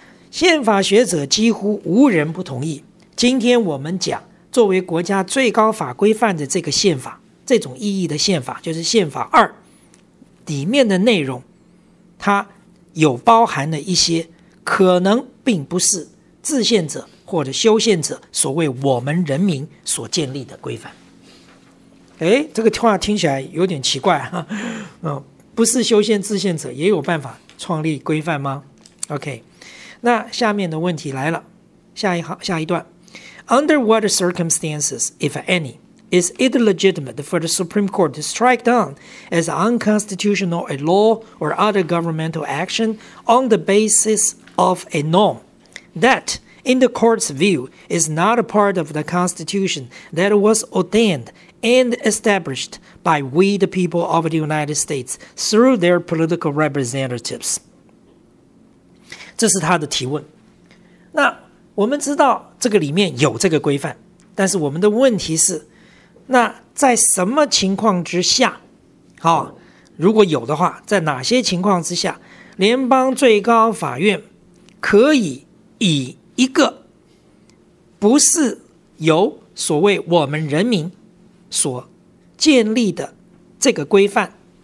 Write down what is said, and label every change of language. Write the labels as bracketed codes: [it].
[zh] 宪法学者几乎无人不同意，今天我们讲作为国家最高法规范的这个宪法，这种意义的宪法就是宪法二里面的内容，它有包含了一些可能并不是制宪者或者修宪者所谓我们人民所建立的规范。哎，这个话听起来有点奇怪，不是修宪制宪者也有办法创立规范吗？ [en] OK， [zh] 那下面的问题来了，下一段， [en] Under what circumstances, if any, is it legitimate for the Supreme Court to strike down as unconstitutional a law or other governmental action on the basis of a norm that, in the court's view, is not a part of the Constitution that was ordained and established by we the people of the United States through their political representatives? [zh] 这是他的提问。那我们知道这个里面有这个规范，但是我们的问题是，那在什么情况之下，如果有的话，在哪些情况之下，联邦最高法院可以以一个不是由所谓我们人民所建立的这个规范